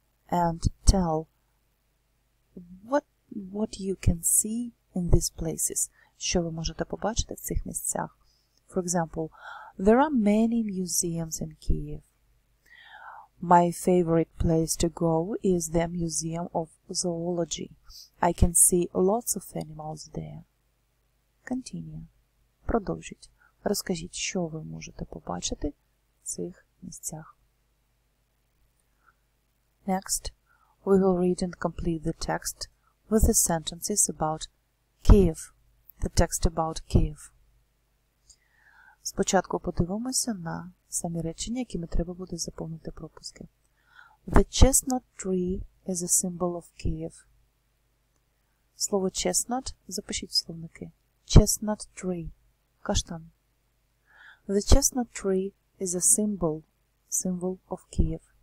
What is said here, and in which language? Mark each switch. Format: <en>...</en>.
<en>And tell what you can see in these places.</en> <uk>Що ви можете побачити в цих місцях?</uk> <en>For example, there are many museums in Kyiv. My favorite place to go is the Museum of Zoology. I can see lots of animals there. Continue.</en> <uk>Продовжіть. Розкажіть, що ви можете побачити в цих місцях.</uk> <en>Next, we will read and complete the text with the sentences about Kyiv. The text about Kyiv.</en> <uk>Спочатку подивимося на самі речення, якими треба буде заповнити пропуски.</uk> <en>The chestnut tree is a symbol of Kyiv.</en> <uk>Слово chestnut запишіть в словники. Chestnut tree. Каштан.</uk> <en>The chestnut tree is a symbol of Kyiv.</en>